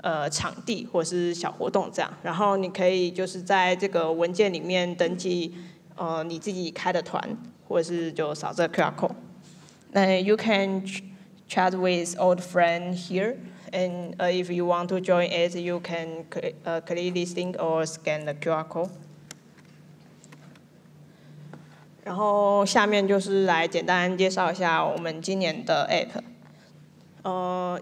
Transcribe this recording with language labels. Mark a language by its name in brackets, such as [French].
[Chinese] 场地或是小活动这样，然后你可以就是在这个文件里面登记，你自己开的团，或是就扫这个 QR code。 [English] You can chat with old friend here, and if you want to join it, you can click this link or scan the QR code. [Chinese] 然后下面就是来简单介绍一下我们今年的 APP。